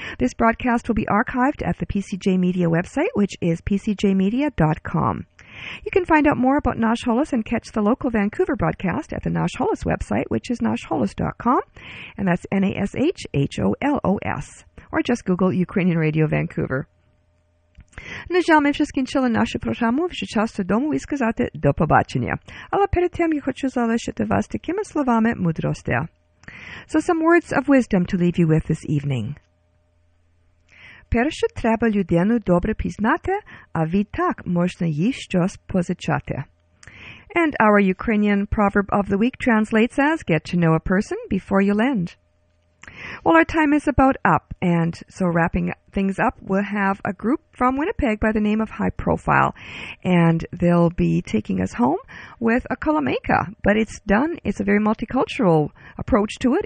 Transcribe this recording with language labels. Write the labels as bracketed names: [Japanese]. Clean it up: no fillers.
[English] This broadcast will be archived at the PCJ Media website, which is pcjmedia.com. You can find out more about Nash Holos and catch the local Vancouver broadcast at the Nash Holos website, which is nashholos.com, and that's NASHHOLOS, or just Google Ukrainian Radio Vancouver. [Ukrainian] На жаль, ми вже скінчили нашу програму, вже час додому і сказати до побачення. Але перед тим я хочу залишити вас такими словами мудрості. [English] So some words of wisdom to leave you with this evening. [Ukrainian] Перше, треба людину добре пізнати, а відтак можна їй щось позичати. [English] And our Ukrainian proverb of the week translates as, get to know a person before you lend. Well, our time is about up, and so wrapping things up, we'll have a group from Winnipeg by the name of High Profile, and they'll be taking us home with a kalameika, but it's a very multicultural approach to it.